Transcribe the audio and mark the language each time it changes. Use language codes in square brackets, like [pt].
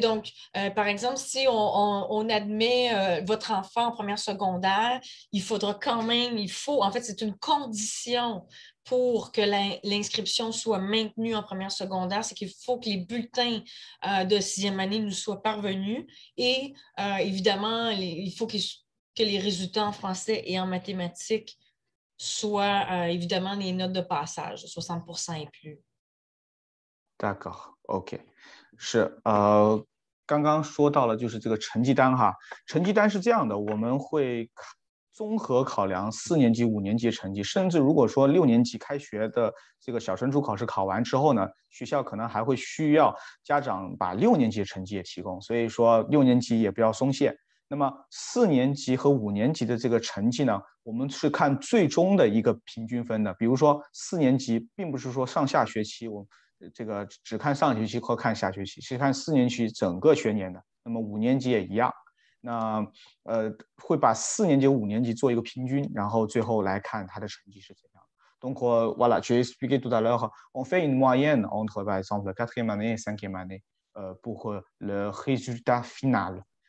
[fr] Donc, par exemple, si on admet votre enfant en première secondaire, il faudra quand même, en fait, c'est une condition pour que l'inscription soit maintenue en première secondaire, c'est qu'il faut que les bulletins de sixième année nous soient parvenus. Et évidemment, il faut que les résultats en français et en mathématiques soient évidemment les notes de passage, 60% et plus. D'accord, OK. Je... [zh] 刚刚说到了就是这个成绩单哈，成绩单是这样的，我们会综合考量四年级、五年级成绩，甚至如果说六年级开学的这个小升初考试考完之后呢，学校可能还会需要家长把六年级成绩也提供，所以说六年级也不要松懈。那么四年级和五年级的这个成绩呢，我们是看最终的一个平均分的。比如说四年级并不是说上下学期，我这个只看上学期或看下学期，是看四年级整个学年的。那么五年级也一样。那会把四年级五年级做一个平均，然后最后来看他的成绩是怎样。 [fr] Donc voilà, je vais expliquer tout à l'heure. On fait une moyenne entre, par exemple, quatrième année et cinquième année, pour le résultat final.